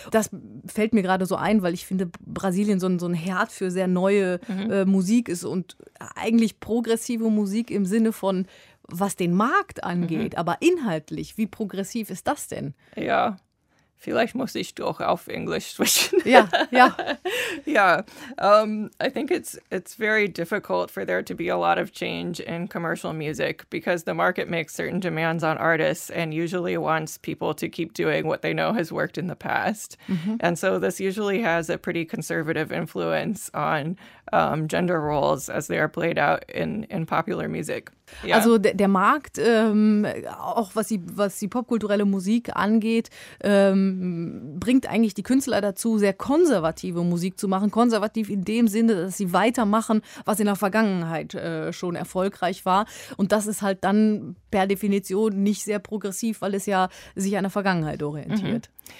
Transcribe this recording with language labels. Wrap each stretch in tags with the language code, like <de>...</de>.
<de>Das fällt mir gerade so ein, weil ich finde, Brasilien so ein Herd für sehr neue Musik ist und eigentlich progressive Musik im Sinne von, was den Markt angeht, aber inhaltlich, wie progressiv ist das denn? Ja, vielleicht muss ich doch auf Englisch switchen. Ja, ja.</de> <en>Ja, I think it's very difficult for there to be a lot of change in commercial music because the market makes certain demands on artists and usually wants people to keep doing what they know has worked in the past. And so this usually has a pretty conservative influence on gender roles as they are played out in popular music. Yeah.</en> <de>Also der Markt, auch was die popkulturelle Musik angeht, bringt eigentlich die Künstler dazu, sehr konservative Musik zu machen. Konservativ in dem Sinne, dass sie weitermachen, was in der Vergangenheit schon erfolgreich war. Und das ist halt dann per Definition nicht sehr progressiv, weil es ja sich an der Vergangenheit orientiert.</de>